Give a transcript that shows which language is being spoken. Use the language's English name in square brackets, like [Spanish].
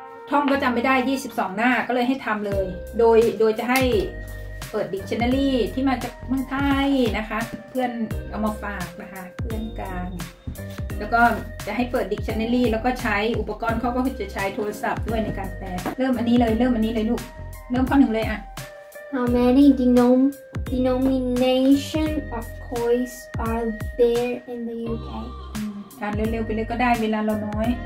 [Thai] ท่องก็จำไม่ได้22หน้าก็เลยให้ทำเลยโดยจะให้เปิด dictionary ที่มาจากเมืองไทยนะคะเพื่อนเอามาฝากนะคะเพื่อนกลางแล้วก็จะให้เปิด dictionary แล้วก็ใช้อุปกรณ์เขาก็คือจะใช้โทรศัพท์ด้วยในการแปลเริ่มอันนี้เลยลูกเริ่มข้อหนึ่งเลยอะ [English] How many denomination of coins are there in the UK [Thai] ทานเร็วๆไปเลยก็ได้เวลาเราน้อย